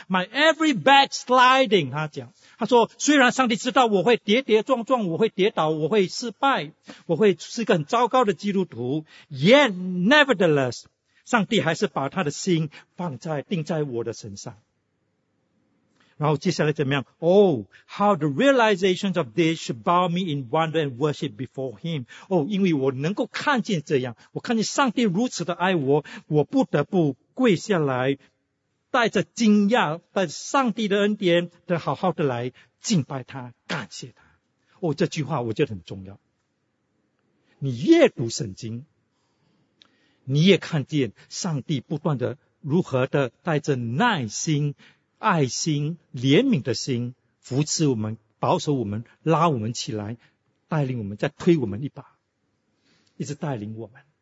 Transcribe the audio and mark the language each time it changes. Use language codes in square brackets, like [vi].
[en] My every backsliding, [zh] 他讲。他说，虽然上帝知道我会跌跌撞撞，我会跌倒，我会失败，我会是一个很糟糕的基督徒， [en] yet nevertheless, [zh] 上帝还是把他的心放在定在我的身上。然后接下来怎么样？ [en] Oh, how the realizations of this should bow me in wonder and worship before him. [zh] Oh, 因为我能够看见这样，我看见上帝如此的爱我，我不得不跪下来，带着惊讶，带着上帝的恩典的好好的来敬拜他，感谢他。哦，这句话我觉得很重要。你越读圣经，你也看见上帝不断的如何的带着耐心、爱心、怜悯的心扶持我们、保守我们、拉我们起来、带领我们、再推我们一把，一直带领我们。